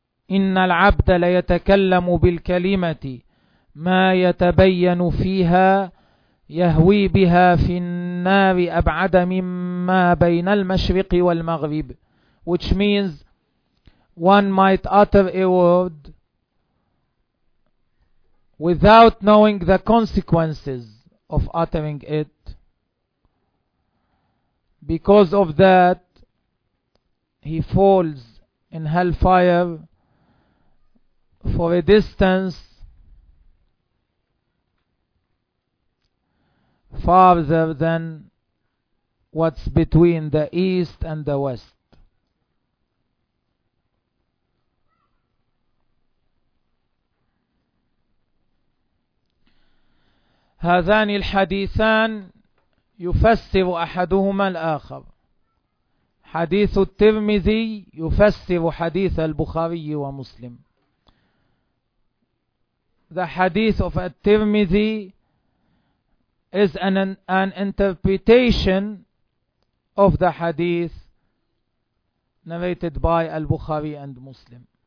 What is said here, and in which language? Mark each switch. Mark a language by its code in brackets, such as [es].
[ar] إن العبد ليتكلم بالكلمة ما يتبين فيها يهوي بها في النار أبعد مما بين المشرق والمغرب, [en] which means one might utter a word without knowing the consequences of uttering it. Because of that, he falls in hellfire for a distance farther than what's between the east and the west. [ar] هذان الحديثان يفسر أحدهما الآخر. حديث الترمذي يفسر حديث البخاري ومسلم. [en] The hadith of At-Tirmidhi is an interpretation of the hadith narrated by Al-Bukhari and Muslim.